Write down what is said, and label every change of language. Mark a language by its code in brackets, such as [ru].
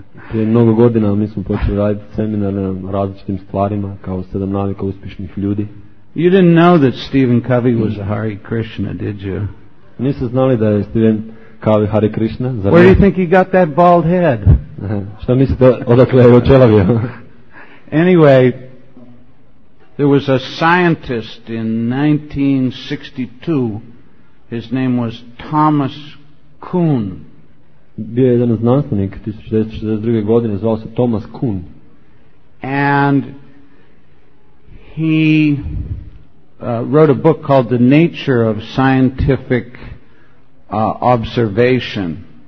[hr] Prije mnogo godina mi smo počeli raditi seminare na različitim stvarima, kao 7 navika uspješnih ljudi. [en] You didn't know that Stephen Covey was a Hare Krishna, did you? [hr] Niste znali da je Stephen Covey Hare Krishna? [en] Where do you think he got that bald head? [hr] Šta mislite odakle je očelavio? [en] Anyway, there was a scientist in 1962. His name was Thomas Kuhn. [hr] Bio je jedan znanstvenik 1962. godine, zvao se Thomas Kuhn. [en] And he wrote a book called The Nature of Scientific Observation.